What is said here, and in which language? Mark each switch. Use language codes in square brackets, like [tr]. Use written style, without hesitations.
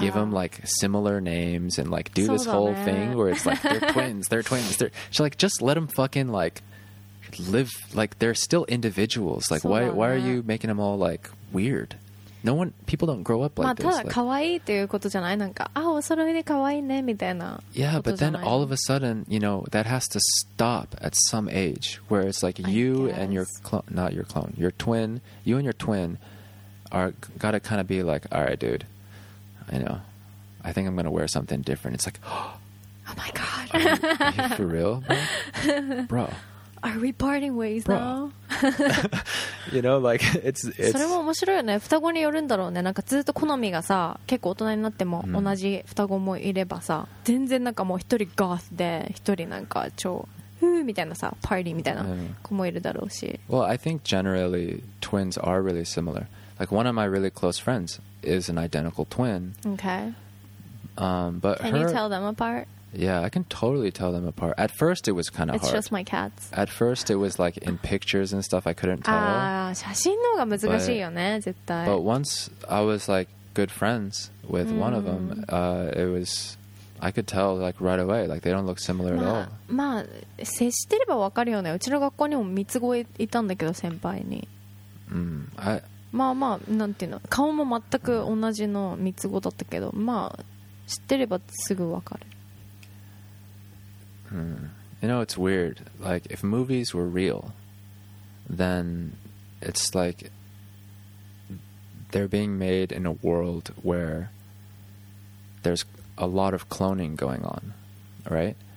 [en] Give them like similar names and like do this whole thing where it's like they're twins, they're twins. They're so, like just let them fucking like live like they're still individuals. Like why are you making them all like weird? No one people don't grow up like this. [ja] まあただ可愛いということじゃない。なんかあお揃いで可愛いねみたいな。 [en] Yeah, but then all of a sudden, you know, that has to stop at some age where it's like you and your clone, not your clone, your twin. You and your twin are gotta kind of be like, all right, dude. I know. I think I'm going to wear something different. It's like, oh my God. Are you for real, bro? Bro. Are we parting ways now? you know, like, it's... [ja] それも面白いよね。双子によるんだろうね。なんかずっと好みがさ、結構大人になっても同じ双子もいればさ、全然なんかもう一人ガースで、一人なんか超、ふーみたいなさ、パーティーみたいな子もいるだろうし。 [en] Well, I think generally, twins are really similar. Like, one of my really close friends... is an identical twin. Okay. But can you tell them apart? Yeah, I can totally tell them apart. At first, it was kind of hard. It's just my cats. At first, it was like in pictures and stuff, I couldn't tell. [ja] 写真の方が難しいよね、絶対。 [en] But once I was like good friends with one of them, it was I could tell like right away, like they don't look similar at all. [ja] まあ接してればわかるよね。うちの学校にも三つ子いたんだけど先輩に。まあまあなんていうの、顔も全く同じの三つ子だったけど、まあ知ってればすぐわかる。 [en] You know, it's weird. Like if movies were real, then it's like they're being made in a world where there's a lot of cloning going on, right?